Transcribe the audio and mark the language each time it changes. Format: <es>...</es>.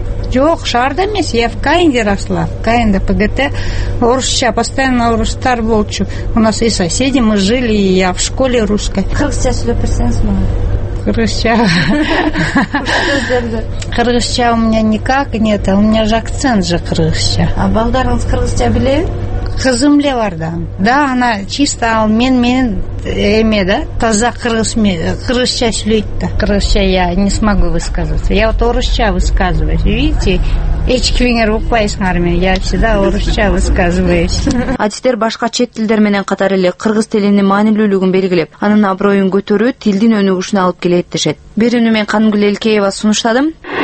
<ky>Жок, шаарда эмес,</ky> <ru>я в Каинде росла, в Каинде ПГТ,</ru> <ky>орусча,</ky> <ru>постоянно</ru> <ky>орустар болчу.</ky> <ru>У нас и соседи, мы жили, и я в школе русской.</ru> <ky>Кыргызча сүйлөп берсеңиз мага.</ky> <ru>Кыргызча у меня никак нет, у меня же акцент же кыргызча.</ru> <ky>А балдарыңыз кыргызча билеби? Кызым эле бар да.</ky> <ru>Да, она чисто,</ru> <ky>ал мен эме да, таза кыргызча сүйлөйт да.</ky> <ru>Кыргызча я не смогу высказываться. Я вот орусча высказываюсь. Видите,</ru> <ky>эч кимиңер укпайсыңар мен.</ky> <ru>Я всегда</ru> <ky>орусча</ky> <ru>высказываюсь.</ru> <ky>Адистер башка чет тилдер менен катар эле кыргыз тилинин маанилүүлүгүн белгилеп, анын аброюн көтөрүү тилдин өнүгүшүн алып келет дешет. Бир үнү мен Кангүл Элкеева сунуштадым.</ky>